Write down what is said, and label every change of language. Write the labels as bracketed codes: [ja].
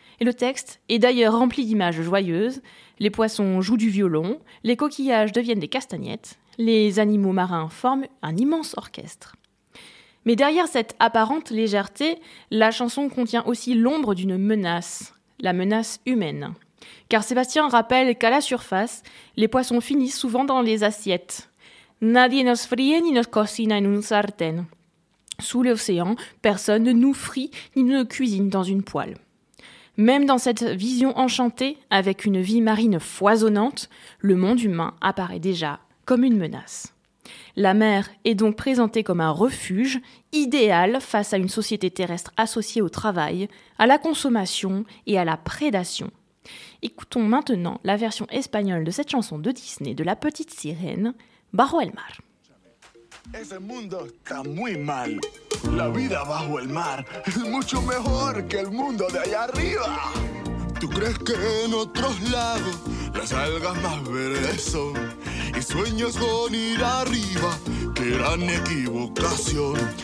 [fr] Et le texte est d'ailleurs rempli d'images joyeuses. Les poissons jouent du violon, les coquillages deviennent des castagnettes, les animaux marins forment un immense orchestre. Mais derrière cette apparente légèreté, la chanson contient aussi l'ombre d'une menace, la menace humaine. Car Sébastien rappelle qu'à la surface, les poissons finissent souvent dans les assiettes. [es] Nadie nos fríe ni nos cocina en un sartén. [fr] Sous l'océan, personne ne nous frit ni ne nous cuisine dans une poêle. Même dans cette vision enchantée, avec une vie marine foisonnante, le monde humain apparaît déjà comme une menace. La mer est donc présentée comme un refuge idéal face à une société terrestre associée au travail, à la consommation et à la prédation. Écoutons maintenant la version espagnole de cette chanson de Disney de La Petite Sirène, Bajo el Mar. [es] Ese mundo está muy mal. La vida bajo el mar es mucho mejor que el mundo de allá arriba. ¿Tú crees que en otros lados las algas más verdes son? Y sueñas con ir arriba, qué gran equivocación.